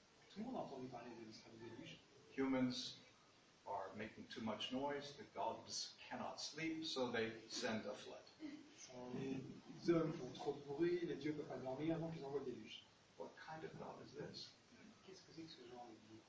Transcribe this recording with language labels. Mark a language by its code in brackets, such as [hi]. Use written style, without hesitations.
[fr] Tout le monde a entendu parler de l'histoire du déluge. [en] Humans are making too much noise. The gods cannot sleep, so they send a flood. [fr] Les hommes font trop de bruit. Les dieux ne peuvent pas dormir, donc ils envoient le déluge. [en] What kind of God is this? [fr] Qu'est-ce que c'est que ce genre de Dieu?